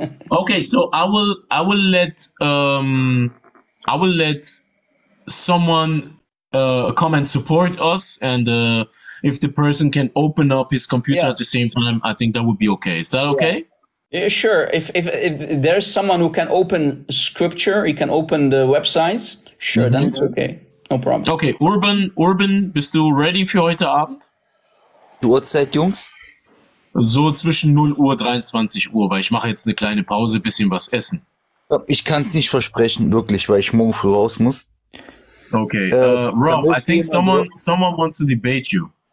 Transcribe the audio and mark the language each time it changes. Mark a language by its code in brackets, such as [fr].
[en] Okay, so I will let someone come and support us, and if the person can open up his computer at the same time, I think that would be okay. Is that okay? Yeah, sure. If there's someone who can open scripture, he can open the websites. Sure, then it's okay. No problem. [de] Okay, Urban, bist du ready für heute Abend? Die Uhrzeit, Jungs? So zwischen 0 Uhr, 23 Uhr, weil ich mache jetzt eine kleine Pause, bisschen was essen. Ich kann es nicht versprechen, wirklich, weil ich morgen früh raus muss. [en] Okay, Rob, I think someone wants to debate you.